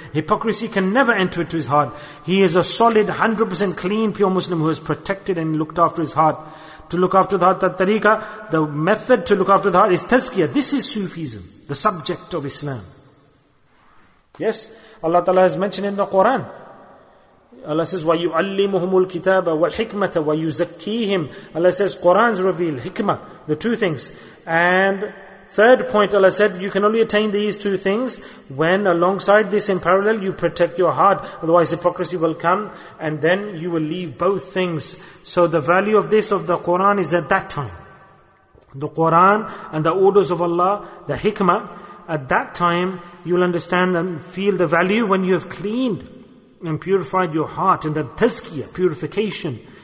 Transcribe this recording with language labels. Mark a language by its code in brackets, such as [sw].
[en] Hypocrisy can never enter into his heart. He is a solid, 100% clean, pure Muslim who has protected and looked after his heart. To look after the heart, the tariqa, the method to look after the heart is tazkiyah. This is Sufism, the subject of Islam. Yes, Allah Ta'ala has mentioned in the Quran. [ar] Allah says, وَيُعَلِّمُهُمُ الْكِتَابَ وَالْحِكْمَةَ وَيُزَكِّيهِمْ. [en] Allah says, Quran's reveal, hikmah, the two things. And third point, Allah said, you can only attain these two things when alongside this in parallel, you protect your heart. Otherwise, hypocrisy will come and then you will leave both things. So the value of this, of the Quran, is at that time. The Quran and the orders of Allah, the hikmah, at that time, you'll understand and feel the value when you have cleaned and purified your heart and the tazkiyah, purification.